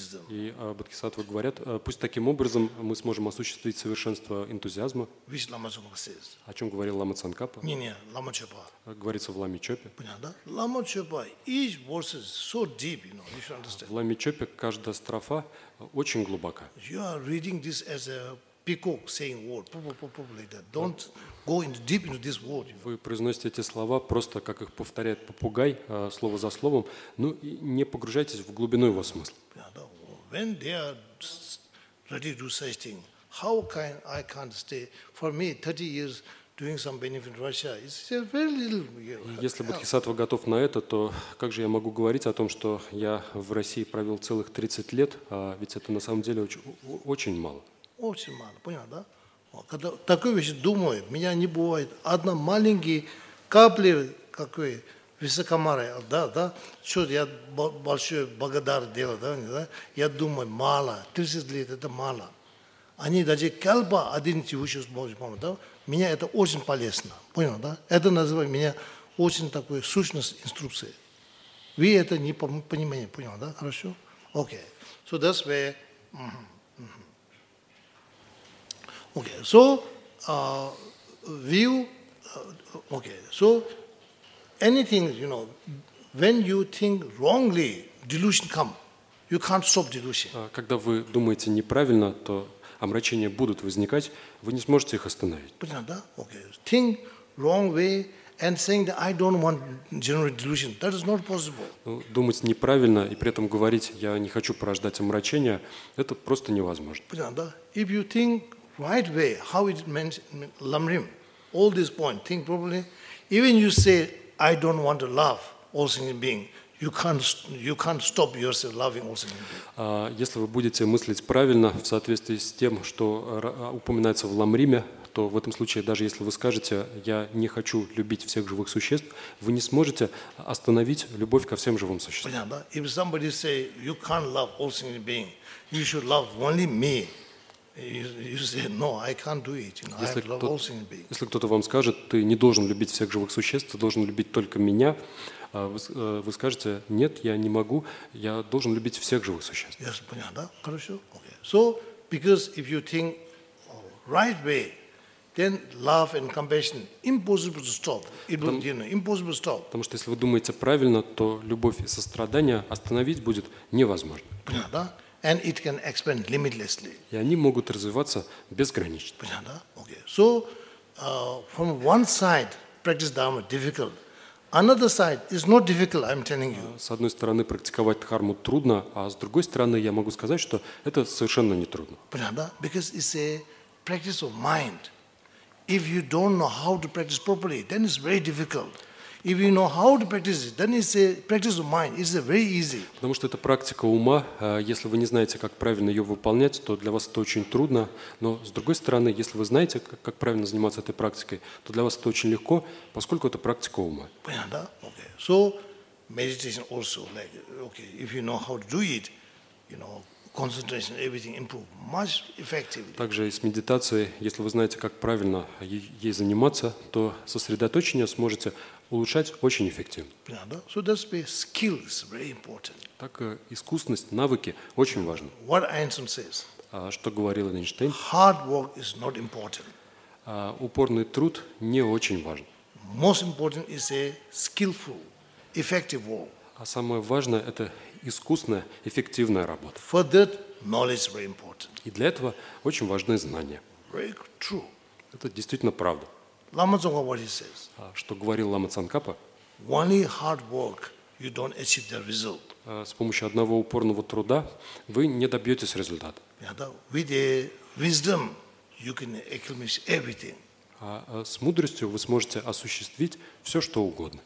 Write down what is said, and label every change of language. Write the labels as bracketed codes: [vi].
[ru] И бодхисаттвы говорят, пусть таким образом мы сможем осуществить совершенство энтузиазма. О чем говорил Лама Цанкапа? Не-не, Лама Чопа. Говорится в Ламе Чопе. Понятно? [en] Лама Чопа, each verse is so deep, you know, you should understand. [ru] В Ламе Чопе каждая строфа очень глубока. [en] You are reading this as a peacock saying word, like that. Don't go into deep into this word. [ru] Вы произносите эти слова просто, как их повторяет попугай, слово за словом. Ну, не погружайтесь в глубину его смысла. [en] When they are ready to do such thing, how can I can't stay? For me, 30 years doing some benefit in Russia is a very little. [ru] Если бодхисаттва готов на это, то как же я могу говорить о том, что я в России провел целых 30 лет? Ведь это на самом деле очень мало. Очень мало, понятно, да? Когда такой вещи думаю, меня не бывает. Одна маленькая капля какой высокомарой, да, что я большой благодар делаю, да? Я думаю, мало, 30 лет это мало. Они даже кальпа один тихучий смогут, да? Меня это очень полезно, понял, да? Это называется меня очень такой сущность инструкции. Вы это не понимаете, понял, да? Хорошо? [en] Окей. So that's where... Okay, so anything, you know, when you think wrongly, delusion come. You can't stop delusion. [ru] Когда вы думаете неправильно, то омрачения будут возникать, вы не сможете их остановить. Понятно, да? [en] Okay, think wrong way and saying that I don't want generate delusion, that is not possible. [ru] Думать неправильно и при этом говорить, я не хочу порождать омрачения, это просто невозможно. Понятно, да? [en] If you think right way, how it mentioned Lamrim, all these points, think properly. Even you say, I don't want to love all sentient beings, you can't stop yourself loving all sentient beings. [ru] Если вы будете мыслить правильно в соответствии с тем, что упоминается в Ламриме, то в этом случае, даже если вы скажете, я не хочу любить всех живых существ, вы не сможете остановить любовь ко всем живым существам. Понятно, да? [en] If somebody say, you can't love all sentient beings, you should love only me. You say no, I can't do it. You know, I love all sentient beings. [ru] Если кто-то вам скажет, ты не должен любить всех живых существ, ты должен любить только меня, вы скажете, нет, я не могу, я должен любить всех живых существ. [en] Yes, [ru] понятно, да? Хорошо. [en] Okay. So because if you think right way, then love and compassion impossible to stop. It will, you know, impossible to stop. [ru] Потому что если вы думаете правильно, то любовь и сострадание остановить будет невозможно. Понятно, да? [en] And it can expand limitlessly. [ru] И они могут развиваться безгранично. Понятно, да? [en] Okay. So, from one side, practice dharma difficult. Another side, it's not difficult, I'm telling you. [ru] С одной стороны, практиковать дхарму трудно, а с другой стороны, я могу сказать, что это совершенно не трудно. Понятно, да? [en] Because it's a practice of mind. If you don't know how to practice properly, then it's very difficult. If you know how to practice it, then it's a practice of mind. It's very easy. [ru] Потому что это практика ума. Если вы не знаете, как правильно ее выполнять, то для вас это очень трудно. Но с другой стороны, если вы знаете, как правильно заниматься этой практикой, то для вас это очень легко, поскольку это практика ума. Понятно, да? [en] Okay. So meditation also, like, okay, if you know how to do it, you know, concentration, everything improve much effectively. [ru] Также и с медитацией, если вы знаете, как правильно ей заниматься, то сосредоточение сможете улучшать очень эффективно. [en] Yeah, so that's why skill is very important. [ru] Так искусность, навыки очень важны. [en] What Einstein says? [ru] Что говорил Эйнштейн? [en] Hard work is not important. [ru] Упорный труд не очень важен. [en] Most important is a skillful, effective work. [ru] А самое важное это искусная, эффективная работа. [en] For that, knowledge is very important. [ru] И для этого очень важны знания. [en] Very true. [ru] Это действительно правда. [en] Лама Цанкапа, what he says? [ru] Что говорил Лама Цанкапа? [en] Only hard work, you don't achieve the result. [ru] С помощью одного упорного труда вы не добьетесь результата. [en] Yeah, [ru] да. [en] With the wisdom, you can accomplish everything. [ru] С мудростью вы сможете осуществить все, что угодно.